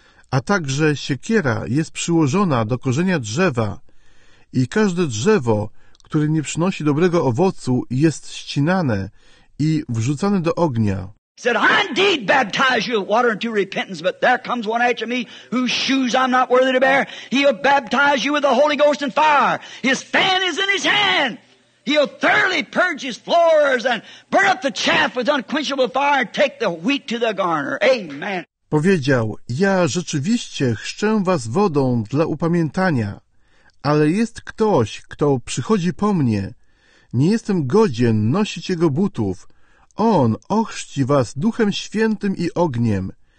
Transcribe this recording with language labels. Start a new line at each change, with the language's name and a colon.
Polish: A także siekiera jest przyłożona do korzenia drzewa i każde drzewo, które nie przynosi dobrego owocu, jest ścinane i wrzucane do ognia.
English: Said, I indeed baptize you with water into repentance, but there comes one after me whose shoes I'm not worthy to bear. He'll baptize you with the Holy Ghost and fire. His fan is in his hand. He'll thoroughly purge his floors and burn up the chaff with unquenchable fire and take the wheat to the garner. Amen.
Polish: Powiedział, ja rzeczywiście chrzczę was wodą dla upamiętania, ale jest ktoś, kto przychodzi po mnie. Nie jestem godzien nosić jego butów. On ochrzci was Duchem Świętym i ogniem.